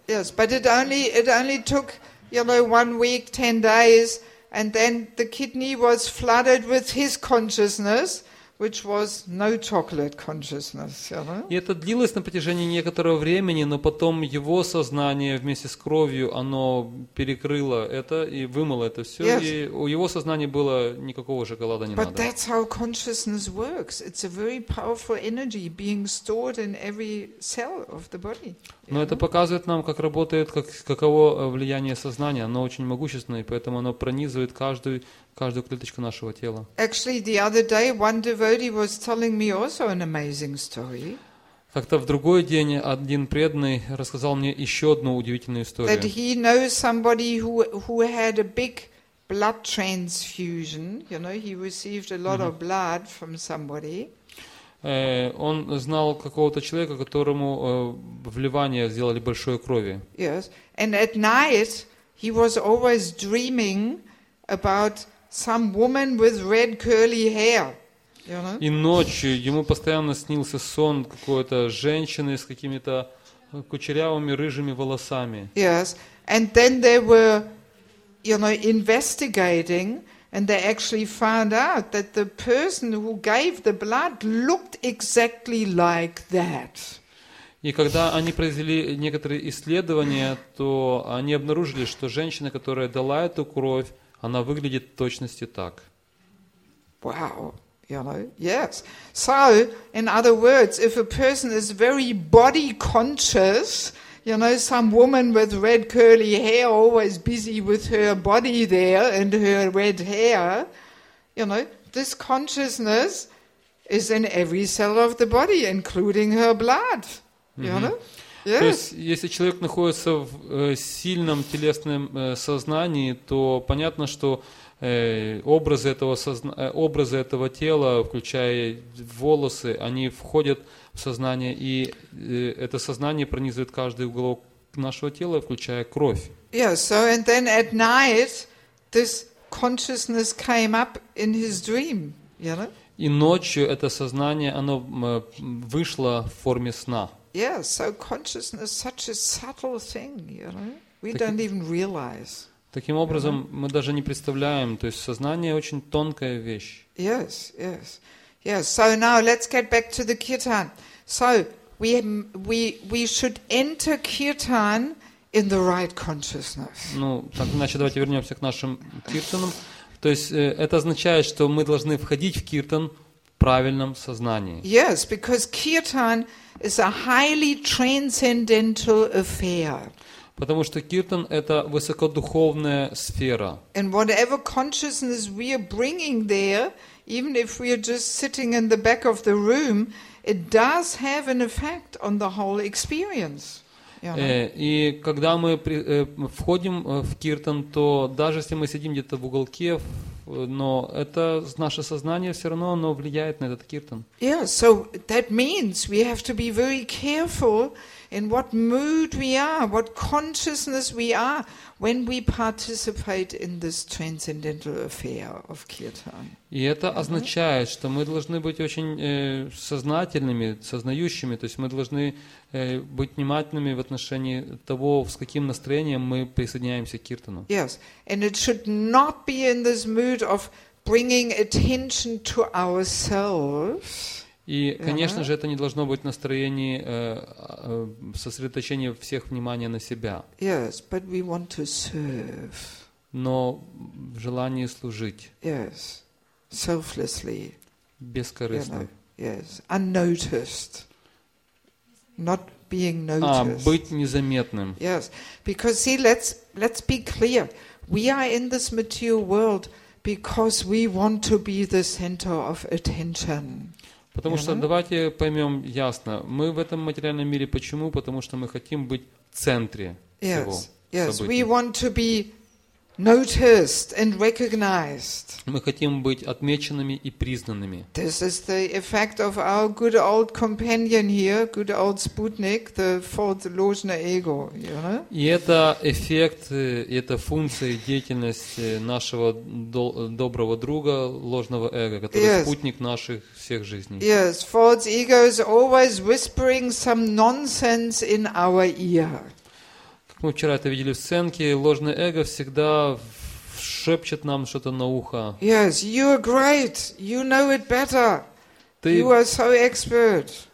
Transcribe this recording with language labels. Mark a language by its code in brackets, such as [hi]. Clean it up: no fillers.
[en] Yes, but it only took, you know, 1 week, 10 days, and then the kidney was flooded with his consciousness, which was no chocolate consciousness. [ru] И это длилось на протяжении некоторого времени, но потом его сознание вместе с кровью, оно перекрыло это и вымыло это все, и у его сознания было никакого шоколада не надо. [en] But that's how consciousness works. It's a very powerful energy being stored in every cell of the body. [ru] Но это показывает нам, как работает, каково влияние сознания. Оно очень могущественное, поэтому оно пронизывает каждую клеточку нашего тела. [en] Actually, the other day, one devotee was telling me also an amazing story. [ru] Как-то в другой день один преданный рассказал мне еще одну удивительную историю. [en] That he knows somebody who had a big blood transfusion. You know, he received a lot of blood from somebody. [ru] Он знал какого-то человека, которому вливание сделали большой крови. [en] Yes, and at night he was always dreaming about some woman with red curly hair. You know? [ru] И ночью ему постоянно снился сон какой-то женщины с какими-то кучерявыми рыжими волосами. [en] Yes, and then they were, you know, investigating, and they actually found out that the person who gave the blood looked exactly like that. [ru] И когда они произвели некоторые исследования, то они обнаружили, что женщина, которая дала эту кровь, она выглядит в точности так. [en] Wow, you know, yes. So, in other words, if a person is very body conscious, you know, some woman with red curly hair always busy with her body there and her red hair, you know, this consciousness is in every cell of the body, including her blood, you know. Yes. [ru] То есть, если человек находится в сильном телесном сознании, то понятно, что образы этого тела, включая волосы, они входят в сознание, и это сознание пронизывает каждый уголок нашего тела, включая кровь. [en] Yes, so and then at night this consciousness came up in his dream, [ru] И ночью это сознание, оно вышло в форме сна. [en] Yeah, so consciousness is such a subtle thing, you know. We don't even realize. [ru] Таким образом, mm-hmm. мы даже не представляем, то есть сознание очень тонкая вещь. [en] Yes, yes. Yes, so now let's get back to the kirtan. So, we should enter kirtan in the right consciousness. [ru] Ну, так, значит, давайте вернемся к нашим киртанам. То есть это означает, что мы должны входить в киртан в правильном сознании. [en] Yes, because kirtan is a highly transcendental affair. [ru] Потому что киртан – это высокодуховная сфера. [en] And whatever consciousness we are bringing there, even if we are just sitting in the back of the room, it does have an effect on the whole experience. [ru] И когда мы входим в киртан, то даже если мы сидим где-то в уголке, но это наше сознание все равно оно влияет на этот киртан. [en] Yeah, so that means we have to be very careful in what mood we are, what consciousness we are when we participate in this transcendental affair of kirtan. [ru] И это означает, mm-hmm. что мы должны быть очень сознательными, сознающими, то есть мы должны быть внимательными в отношении того, с каким настроением мы присоединяемся к киртану. [en] Yes, and it should not be in this mood of bringing attention to ourselves. [ru] И, конечно же, это не должно быть в настроении сосредоточения всех внимания на себя. [en] Yes, but we want to serve. [ru] Но в желании служить. [en] Yes, selflessly. [ru] Бескорыстно. [en] Yes, unnoticed. Not being noticed. [ru] А, быть незаметным. Yes, because see, let's be clear. We are in this material world because we want to be the center of attention. Потому что давайте поймем ясно, мы в этом материальном мире почему? Потому что мы хотим быть в центре всего события. [en] We want to be noticed and recognized. [ru] Мы хотим быть отмеченными и признанными. [en] This is the effect of our good old companion here, good old Sputnik, the fourth delusional ego. You know? [ru] И это эффект, это функция и деятельность нашего доброго друга, ложного эго, который [en] yes. [ru] спутник наших всех жизней. [en] Yes, false ego is always whispering some nonsense in our ear. [ru] Мы вчера это видели в сценке, ложное эго всегда шепчет нам что-то на ухо. [en] Yes, you are great, you know it better, you are so expert.